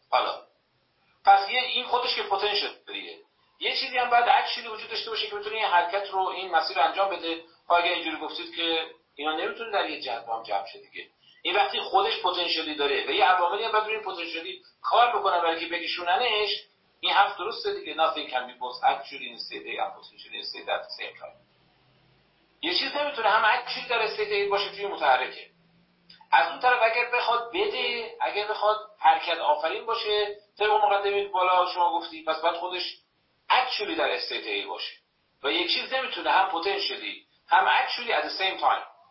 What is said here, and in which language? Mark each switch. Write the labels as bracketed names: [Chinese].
[Persian] حالا پس این خودش که پتانسیل داریه، یه چیزی هم باید اکچولی وجود داشته باشه که بتونه این حرکت رو، این مسیر رو انجام بده. اگه اینجوری گفتید که اینا نمیتونه در یه جهت با هم جمع شه دیگه، این وقتی خودش پتانسیلی داره و یه عواملی هم باید روی پتانسیلی کار بکنه برای که بکشوننش، این حرف درسته دیگه. [English] nothing can be both actually in state A and potentially in state A at the same time. [Persian] یه چیز نمیتونه هم actually در state A باشه توی متحرکه، از اون طرف اگر بخواد حرکت آفرین باشه طبق مقدمه بالا شما گفتی، پس باید خودش actually در state A باشه و یک چیز نمیتونه هم potentially هم actually [English] at the same time.